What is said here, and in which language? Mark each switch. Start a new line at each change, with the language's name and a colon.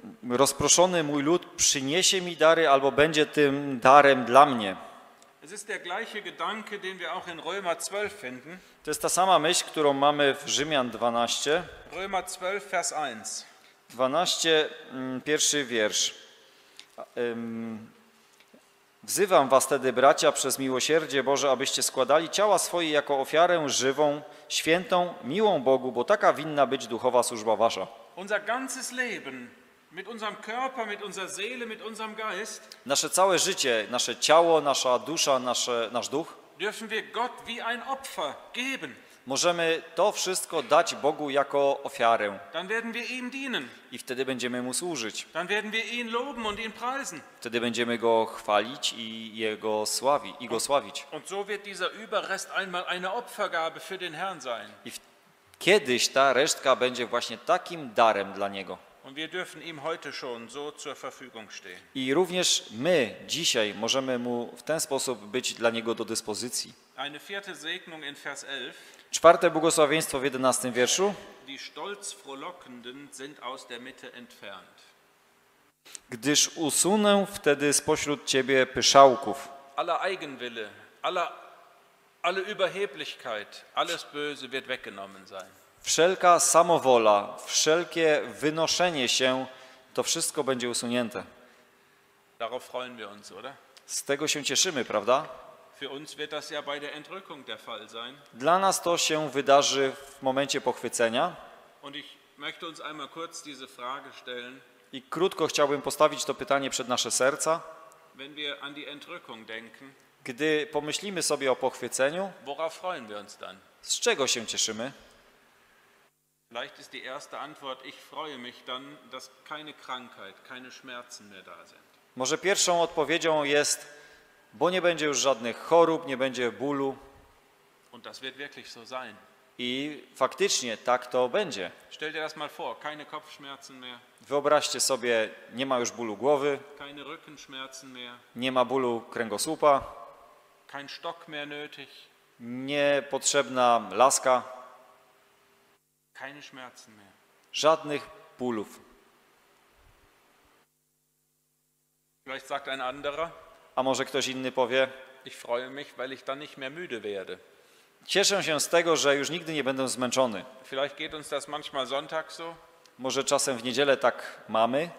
Polish: Rozproszony mój lud przyniesie mi dary, albo będzie tym darem dla mnie.
German: Es ist der gleiche Gedanke, den wir auch in Römer 12 finden.
Polish: To jest ta sama myśl, którą mamy w Rzymian 12.
German: Römer 12, Vers 1.
Polish: 12, pierwszy wiersz. Wzywam was tedy, bracia, przez miłosierdzie Boże, abyście składali ciała swoje jako ofiarę żywą, świętą, miłą Bogu, bo taka winna być duchowa służba wasza.
German: Unser ganzes Leben. Mit unserem Körper, mit unserer Seele, mit unserem Geist.
Polish: Nasze całe życie, nasze ciało, nasza dusza, nasz duch.
German: Dürfen wir Gott wie ein Opfer geben.
Polish: Możemy to wszystko dać Bogu jako ofiarę.
German: Dann werden wir ihm dienen.
Polish: I wtedy będziemy mu służyć.
German: Dann werden wir ihn loben und ihn preisen.
Polish: Wtedy będziemy go chwalić i go sławić.
German: Und so wird dieser Überrest einmal eine Opfergabe für den Herrn sein.
Polish: I kiedyś ta resztka będzie właśnie takim darem dla niego.
German: Und wir dürfen ihm heute schon so zur Verfügung stehen.
Polish: I również my dzisiaj możemy mu w ten sposób być dla niego do dyspozycji.
German: Eine vierte Segnung in Vers 11.
Polish: Czwarte błogosławieństwo w 11. wierszu.
German: Die stolz frohlockenden sind aus der Mitte entfernt.
Polish: Gdyż usunę wtedy spośród ciebie pyszałków.
German: Alle Eigenwille, alle Überheblichkeit, alles Böse wird weggenommen sein.
Polish: Wszelka samowola, wszelkie wynoszenie się, to wszystko będzie usunięte.
German: Darauf freuen wir uns, oder?
Polish: Z tego się cieszymy, prawda?
German: Für uns wird das ja bei der Entrückung der Fall sein.
Polish: Dla nas to się wydarzy w momencie pochwycenia.
German: Und ich möchte uns einmal kurz diese Frage stellen.
Polish: I krótko chciałbym postawić to pytanie przed nasze serca.
German: Wenn wir an die Entrückung denken,
Polish: gdy pomyślimy sobie o pochwyceniu,
German: worauf freuen wir uns dann?
Polish: Z czego się cieszymy?
German: Vielleicht ist die erste Antwort, ich freue mich dann, dass keine Krankheit, keine Schmerzen mehr da sind.
Polish: Może pierwszą odpowiedzią jest, bo nie będzie już żadnych chorób, nie będzie bólu.
German: Und das wird wirklich so sein.
Polish: I faktycznie tak to będzie.
German: Stell dir das mal vor, keine Kopfschmerzen mehr.
Polish: Wyobraźcie sobie, nie ma już bólu głowy.
German: Keine Rückenschmerzen mehr.
Polish: Nie ma bólu kręgosłupa.
German: Kein Stock mehr nötig.
Polish: Niepotrzebna laska.
German: Keine Schmerzen mehr.
Polish: Żadnych bólów.
German: Vielleicht sagt ein anderer.
Polish: A może ktoś inny powie?
German: Ich freue mich, weil ich dann nicht mehr müde werde.
Polish: Cieszę się z tego, że już nigdy nie będę zmęczony.
German: Vielleicht geht uns das manchmal Sonntag so.
Polish: Może czasem w niedzielę tak mamy.